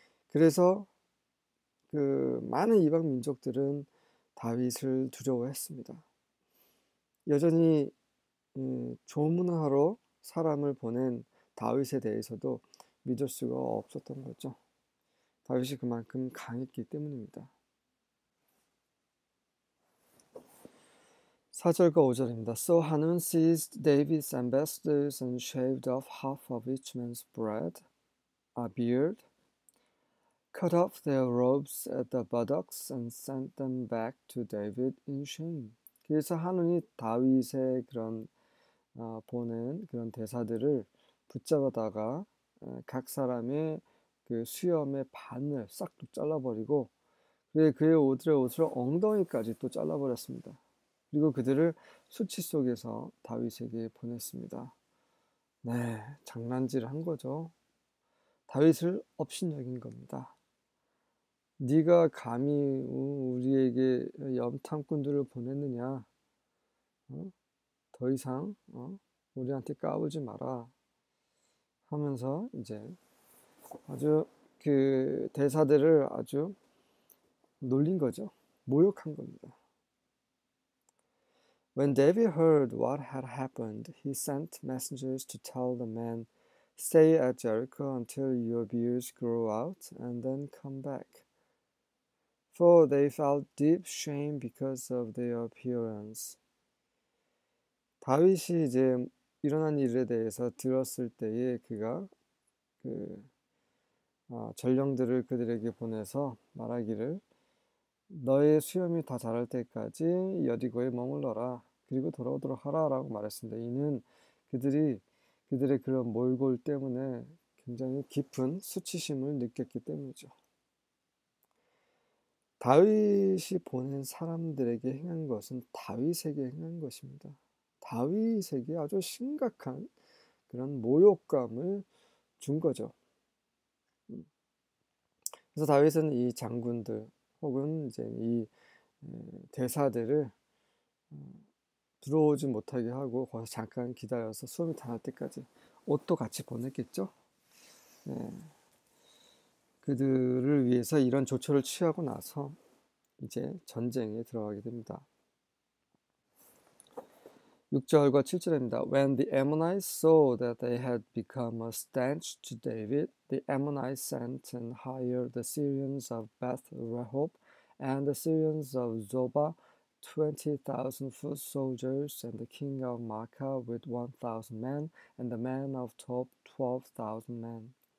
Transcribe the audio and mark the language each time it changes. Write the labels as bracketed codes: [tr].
[ko] 그래서 많은 이방 민족들은 다윗을 두려워했습니다. 여전히 조문하러 사람을 보낸 다윗에 대해서도 믿을 수가 없었던 거죠. 다윗이 그만큼 강했기 때문입니다. 4절과 5절입니다. [en] So Hanun seized David's ambassadors and shaved off half of each man's beard, cut off their robes at the buttocks, and sent them back to David in shame. [ko] 그래서 하눈이 다윗의 그런 보낸 그런 대사들을 붙잡아다가 각 사람의 그 수염의 반을 싹 잘라버리고 그의 옷들의 옷을 엉덩이까지 또 잘라버렸습니다. 그리고 그들을 수치 속에서 다윗에게 보냈습니다. 네, 장난질 한 거죠. 다윗을 업신여긴 겁니다. 네가 감히 우리에게 염탐꾼들을 보냈느냐? 더 이상 우리한테 까불지 마라 하면서 이제 아주 그 대사들을 아주 놀린 거죠. 모욕한 겁니다. [en] When David heard what had happened, he sent messengers to tell the men, "Stay at Jericho until your beards grow out, and then come back." For they felt deep shame because of their appearance. [ko] 다윗이 이제 일어난 일에 대해서 들었을 때에 그가 전령들을 그들에게 보내서 말하기를 너의 수염이 다 자랄 때까지 여리고에 머물러라. 그리고 돌아오도록 하라라고 말했습니다. 이는 그들이 그들의 그런 몰골 때문에 굉장히 깊은 수치심을 느꼈기 때문이죠. 다윗이 보낸 사람들에게 행한 것은 다윗에게 행한 것입니다. 다윗에게 아주 심각한 그런 모욕감을 준 거죠. 그래서 다윗은 이 장군들 혹은 이제 이 대사들을 들어오지 못하게 하고 거기서 잠깐 기다려서 수염이 다날 때까지 옷도 같이 보냈겠죠. 그들을 위해서 이런 조처를 취하고 나서 이제 전쟁에 들어가게 됩니다. 6절과 7절입니다. [en] When the Ammonites saw that they had become a stench to David, the Ammonites sent and hired the Syrians of Beth Rehob and the Syrians of Zobah, 20,000 foot soldiers, and the king of Maacah with 1,000 men, and the men of Tob, 12,000 men.